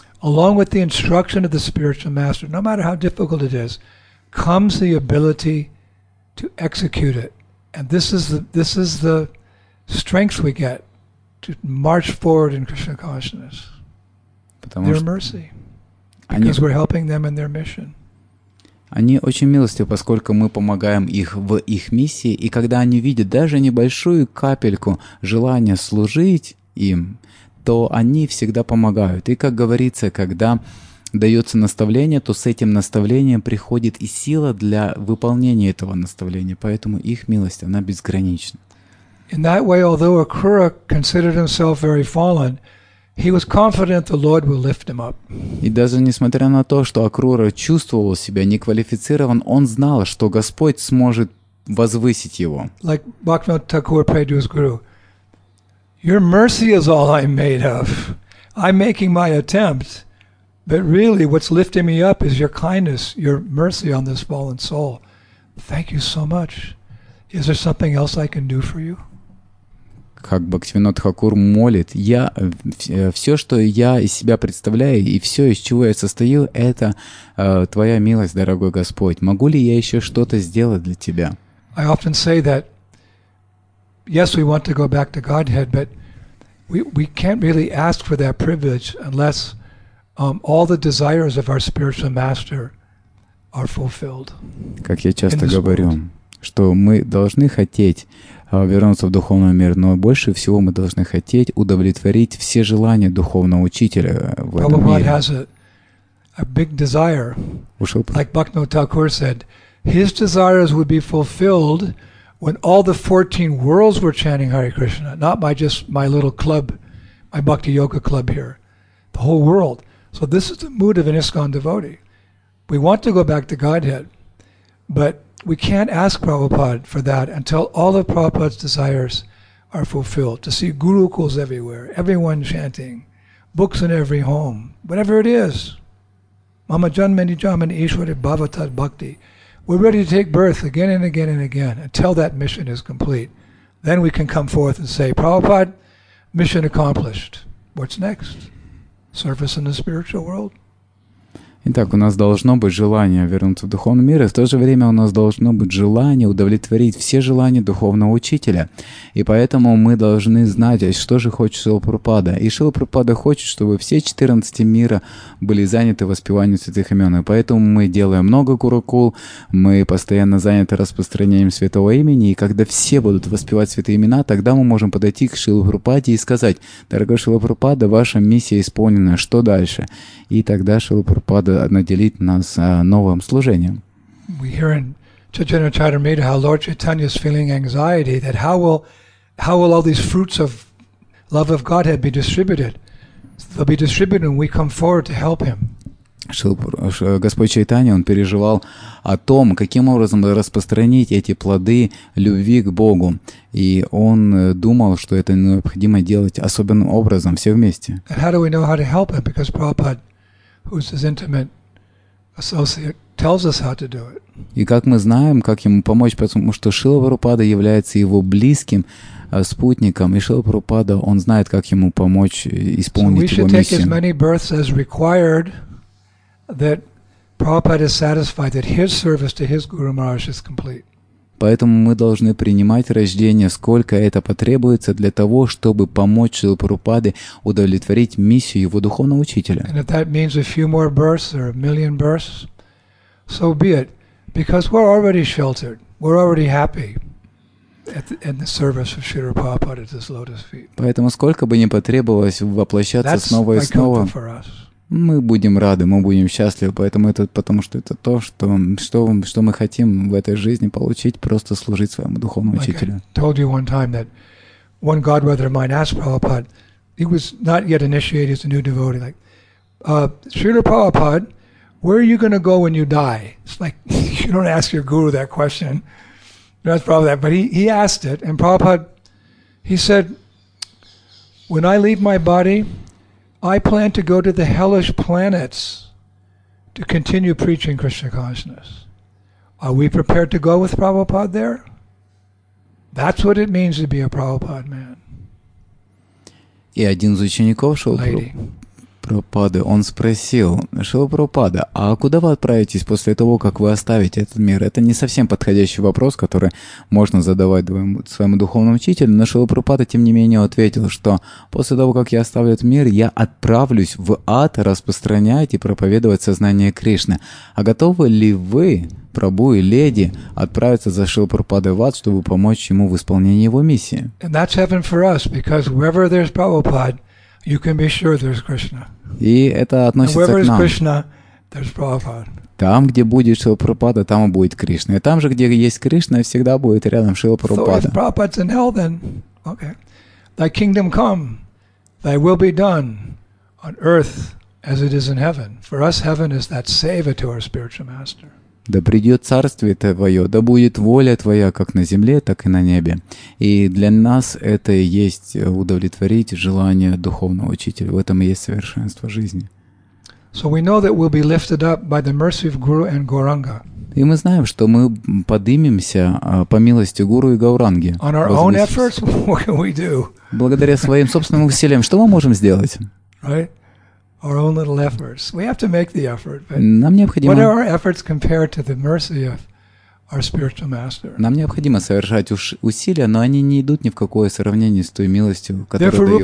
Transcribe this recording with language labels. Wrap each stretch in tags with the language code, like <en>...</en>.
<en>Along with the instruction of the spiritual master, no matter how difficult it is, comes the ability to execute it. And this is the strength we get to march forward in Krishna consciousness. Their mercy. Because we're helping them in their mission.</en> <ru>Они очень милостивы, поскольку мы помогаем их в их миссии, и когда они видят даже небольшую капельку желания служить им, то они всегда помогают. И, как говорится, когда дается наставление, то с этим наставлением приходит и сила для выполнения этого наставления. Поэтому их милость, она безгранична.</ru> <en>In that way, although Akura considered himself very fallen, he was confident the Lord will lift him up.</en> <ru>И даже несмотря на то, что Акрура чувствовал себя неквалифицирован, он знал, что Господь сможет возвысить его.</ru> <en>Like Bhaktivinoda Thakur prayed to his guru, "Your mercy is all I'm made of. I'm making my attempt, but really, what's lifting me up is your kindness, your mercy on this fallen soul. Thank you so much. Is there something else I can do for you?"</en> <ru>Как Бхактивинода Тхакур молит, я все, что я из себя представляю, и все, из чего я состою, это твоя милость, дорогой Господь. Могу ли я еще что-то сделать для тебя?</ru> <en>I often say that, yes, we want to go back to Godhead, but we can't really ask for that privilege unless all the desires of our spiritual master are fulfilled.</en> <ru>Как я часто говорю, что мы должны хотеть вернуться в духовный мир, но больше всего мы должны хотеть удовлетворить все желания духовного учителя в этом мире. Prabhupada has a big desire. Like Bhaktivinoda Thakur said, his desires would be fulfilled when all the 14 worlds were chanting Hare Krishna, not by just my little club, my Bhakti Yoga club here, the whole world. So this is the mood of an ISKCON devotee. We want to go back to Godhead, but we can't ask Prabhupada for that until all of Prabhupada's desires are fulfilled. To see gurukuls everywhere, everyone chanting, books in every home, whatever it is.</ru> <sa>Mama janmani jaman ishwari bhavatad bhakti.</sa> <en>We're ready to take birth again and again and again until that mission is complete. Then we can come forth and say, Prabhupada, mission accomplished. What's next? Service in the spiritual world?</en> <ru>Итак, у нас должно быть желание вернуться в духовный мир, и в то же время у нас должно быть желание удовлетворить все желания духовного учителя. И поэтому мы должны знать, что же хочет Шрила Прабхупада. И Шрила Прабхупада хочет, чтобы все 14 мира были заняты воспеванием святых имен. И поэтому мы делаем много гурукул, мы постоянно заняты распространением святого имени, и когда все будут воспевать святые имена, тогда мы можем подойти к Шриле Прабхупаде и сказать: «Дорогой Шрила Прабхупада, ваша миссия исполнена, что дальше?» И тогда Шрила Прабхупада наделить нас новым служением.</ru> <en>We hear in Chaitanya Charitamrita how Lord Chaitanya is feeling anxiety that how will all these fruits of love of Godhead be distributed? They'll be distributed when we come forward to help him.</en> <ru>Господь Чайтанья, он переживал о том, каким образом распространить эти плоды любви к Богу. И он думал, что это необходимо делать особенным образом, все вместе.</ru> <en>And how do we know how to help him? Because Prabhupada, who's his intimate associate, tells us how to do it.</en> <ru>И как мы знаем, как ему помочь, потому что Шрила Прабхупада является его близким спутником, и Шрила Прабхупада, он знает, как ему помочь исполнить его миссию.</ru> <en>So we should take as many births as required, that Prabhupada is satisfied that his service to his Guru Maharaj is complete.</en> <ru>Поэтому мы должны принимать рождение, сколько это потребуется для того, чтобы помочь Шриле Прабхупаде удовлетворить миссию его духовного учителя.</ru> <en>And if that means a few more births or a million births, so be it. Because we're already sheltered, we're already happy in the service of Srila Prabhupada at his lotus feet.</en> <ru>Поэтому сколько бы ни потребовалось воплощаться снова и снова, мы будем рады, мы будем счастливы, поэтому это, потому что это то, что мы хотим в этой жизни получить, просто служить своему духовному учителю.</ru> <en>Like I told you one time that one godbrother of mine asked Prabhupada, he was not yet initiated as a new devotee, like, Srila Prabhupada, where are you going to go when you die? It's like, you don't ask your guru that question. That's probably that. But he asked it, and Prabhupada, he said, when I leave my body, I plan to go to the hellish planets to continue preaching Krishna consciousness. Are we prepared to go with Prabhupada there? That's what it means to be a Prabhupada man.</en> <ru>И один из учеников Прабхупады, он спросил, Шрила Прабхупада, а куда вы отправитесь после того, как вы оставите этот мир? Это не совсем подходящий вопрос, который можно задавать своему духовному учителю, но Шрила Прабхупада, тем не менее, ответил, что после того, как я оставлю этот мир, я отправлюсь в ад распространять и проповедовать сознание Кришны. А готовы ли вы, Прабу и леди, отправиться за Шрила Прабхупадой в ад, чтобы помочь ему в исполнении его миссии?</ru> <en>And that's heaven for us, because wherever there's Prabhupada, you can be sure there's Krishna.</en> <ru>И это относится к нам.</ru> <en>Wherever is Krishna, there's Prabhupada.</en> <ru>Там, где будет Шрила Прабхупада, там и будет Кришна. И там же, где есть Кришна, всегда будет рядом Шрила Прабхупада.</ru> <en>So if Prabhupada's in hell, then okay. Thy kingdom come, thy will be done on earth as it is in heaven. For us, heaven is that seva to our spiritual master.</en> <ru>Да придет царствие Твое, да будет воля Твоя как на земле, так и на небе. И для нас это и есть удовлетворить желание духовного учителя. В этом и есть совершенство жизни.</ru> <en>So we know that we'll be lifted up by the mercy of Guru and Gauranga.</en> <ru>И мы знаем, что мы поднимемся по милости Гуру и Гауранги.</ru> <en>On our own efforts, what can we do?</en> <ru>Благодаря своим собственным усилиям, что мы можем сделать?</ru> <en>Right? Our own little efforts. We have to make the effort, but what are our efforts compared to the mercy of our spiritual master?</en> <ru>Нам необходимо совершать усилия, но они не идут ни в какое сравнение с той милостью, которую дает.</ru>